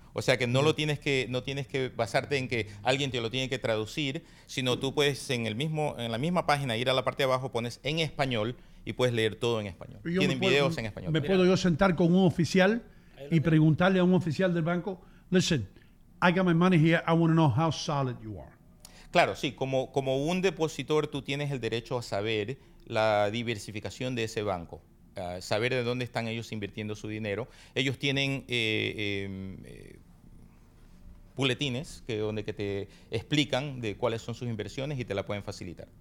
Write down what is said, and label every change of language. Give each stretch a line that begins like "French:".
Spanish: O sea que no tienes que basarte en que alguien te lo tiene que traducir, sino tú puedes en la misma página ir a la parte de abajo, pones en español y puedes leer todo en español. Videos en español. Me puedo yo sentar con un oficial y preguntarle a un oficial del banco, listen,
English: I got my money here, I want to know how solid you are.
Spanish: Claro, sí, como un depositor tú tienes el derecho a saber la diversificación de ese banco, saber de dónde están ellos invirtiendo su dinero. Ellos tienen buletines donde te explican de cuáles son sus inversiones y te la pueden facilitar.